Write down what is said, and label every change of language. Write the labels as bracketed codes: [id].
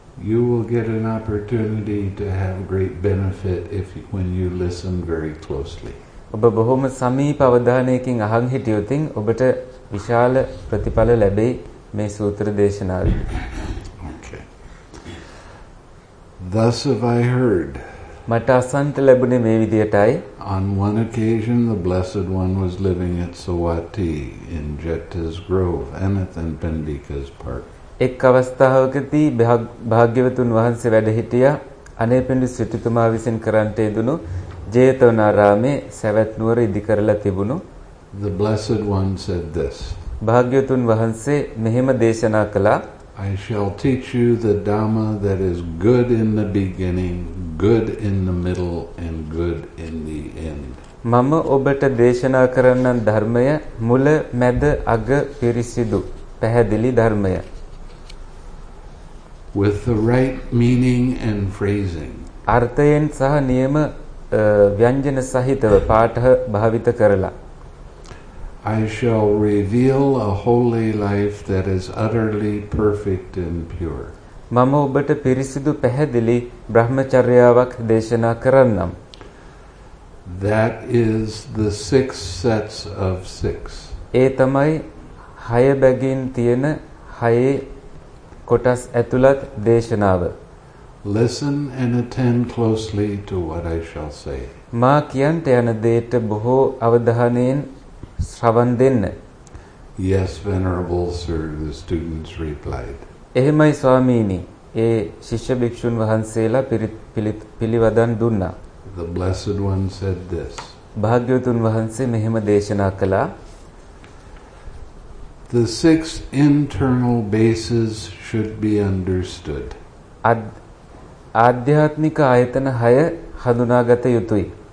[en] You will get an opportunity to have great benefit if when you listen very closely. [si] ඔබ බොහොම සමීප අවධානයකින් අහන් හිටියොත් ඔබට විශාල ප්‍රතිඵල ලැබෙයි මේ සූත්‍ර දේශනාවෙන්. [en] Okay. Thus have I heard. [si] මට අසන්ත ලැබුණේ මේ විදියටයි. [en] On one occasion the blessed one was living at Sawati in Jetta's grove Anathan Pendika's park. [si] එක් අවස්ථාවකදී භාග්‍යවතුන් වහන්සේ වැඩ හිටියා අනේපිඬු සිටුතුමා විසින් කරන්ට යෙදුණු ජේතවනාරාමේ සවැත් නුවර ඉදි කරලා තිබුණු. [en] The blessed one said this. [si] භාග්‍යවතුන් වහන්සේ මෙහෙම දේශනා කළා. [en] I shall teach you the dhamma that is good in the beginning, good in the middle and good in the end. [si] මම ඔබට දේශනා කරන්න ධර්මය මුල මැද අග පිරිසිදු පැහැදිලි ධර්මය. [en] With the right meaning and phrasing. [si] අර්ථයෙන් සහ නියම ව්‍යංජන සහිතව පාඨ භාවිත කරලා. [en] I shall reveal a holy life that is utterly perfect and pure. [si] මම ඔබට පිරිසිදු පැහැදිලි බ්‍රහ්මචර්යාවක් දේශනා කරන්නම්. [en] That is the six sets of six. [si] ඒ තමයි හය බැගින් තියෙන හයේ කොටස් ඇතුළත් දේශනාව. [en] Listen and attend closely to what I shall say. [si] මා කියන්ට යන දේට බොහෝ අවධානයෙන් ශ්‍රවන් දෙන්න. [en] Yes, venerable sir, the students replied. [si] එහෙමයි ස්වාමීනි. ඒ ශිෂ්‍ය භික්ෂුන් වහන්සේලා පිළිවදන් දුන්නා. [en] The blessed one said this. [si] භාග්‍යවතුන් වහන්සේ මෙහෙම දේශනා කළා. [en] The six internal bases should be understood. [si] ආධ්‍යාත්මික ආයතන 6 හඳුනාගත යුතුයි.